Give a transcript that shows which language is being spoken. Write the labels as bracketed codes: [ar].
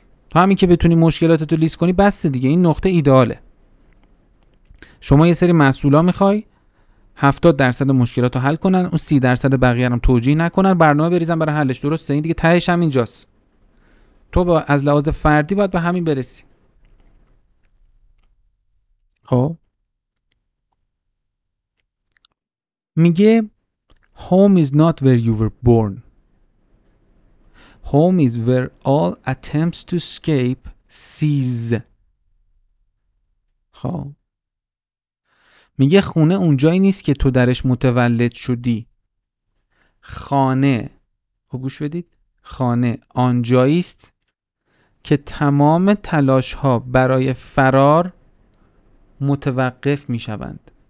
[fa] تو همین که بتونی مشکلاتتو لیست کنی بسته دیگه، این نقطه ایداله. شما یه سری مسئولا میخوای 70% مشکلاتو حل کنن، اون 30% بقیه هم توجیه نکنن، برنامه بریزن برای حلش، درسته؟ این دیگه تهش هم اینجاست، تو با از لحاظ فردی باید به همین برسی. خب میگه [en] Home is not where you were born. Home is where all attempts to escape cease. [fa] خب میگه خونه اون جایی نیست که تو درش متولد شدی. خانه، خب گوش بدید، خانه آن جایی است که تمام تلاش ها برای فرار متوقف می شوند.